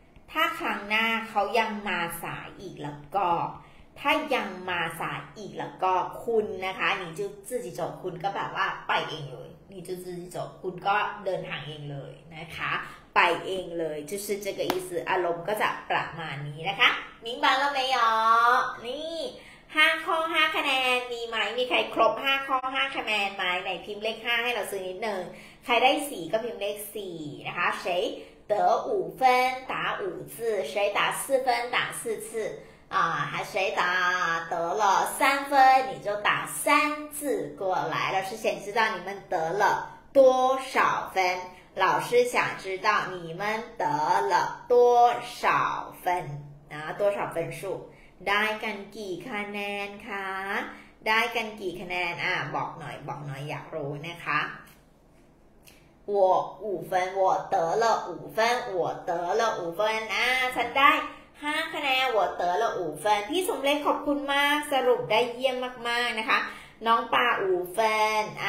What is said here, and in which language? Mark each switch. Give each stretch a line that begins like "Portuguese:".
Thai: ถ้าครั้งหน้าเขายังมาสายอีกแล้วก็ถ้ายังมาสายอีกแล้วก็คุณนะคะ
Chinese: 你就自己走
Thai: คุณก็แบบว่าไปเองเลย你就自己走คุณก็เดินทางเองเลยนะคะไปเองเลย
Chinese: 就是这个意思
Thai: อารมณ์ก็จะประมาณนี้นะคะ
Chinese: 明白了没有
Thai: นี่5ข้อ5คะแนนมีไหมมีใครครบ5ข้อ5คะแนนไหมไหนพิมพ์เลข5ให้เราซื้อนิดนึงใครได้4ก็พิมพ์เลข4นะคะใช้เต๋อ
Chinese: 5分打5字谁打4分打4次还谁答得了三分，你就打三字过来了。老师想知道你们得了多少分，老师想知道你们得了多少分，啊，多少分数？
Thai: ได้กันกี่คะแนนคะได้กันกี่คะแนนบอกหน่อยบอกหน่อยอยากรู้นะคะ
Chinese: 我5分我得了五分我得了五分
Thai: ฉันได้5 คะแนน
Chinese: 我得了五分
Thai: พี่สมเล็กขอบคุณมากสรุปได้เยี่ยมมากๆนะคะน้องปลาอูแฟน